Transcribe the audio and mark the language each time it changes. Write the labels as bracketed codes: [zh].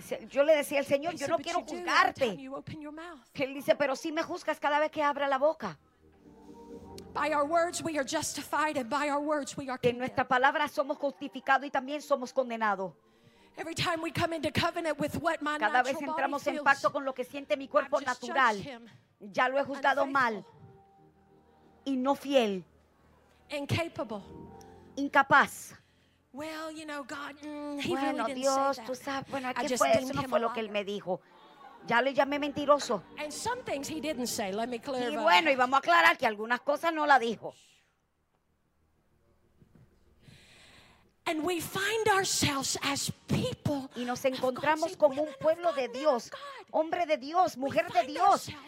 [es] Yo le decía al Señor, yo no quiero juzgarte. Él dice, pero sí me juzgas cada vez que abra la boca. [en] By our words we are justified and by our words we are condemned. [es] En nuestra palabra somos justificados y también somos condenados. [en] Every time we come into covenant with what my natural body [es] cada vez entramos en pacto con lo que siente mi cuerpo natural. Ya lo he juzgado mal y no fiel. [en] Incapable. [es] Incapaz. [en] Well, you know God, [es] bueno, Dios, tú sabes, bueno, ¿qué fue? Eso no fue lo que él me dijo. Ya le llamé mentiroso. [en] And some things he didn't say. Let me clear [es] y bueno, y vamos a aclarar que algunas cosas no la dijo. [en] And we find ourselves as people [es] y nos encontramos como un pueblo de Dios, hombre de Dios, mujer de Dios.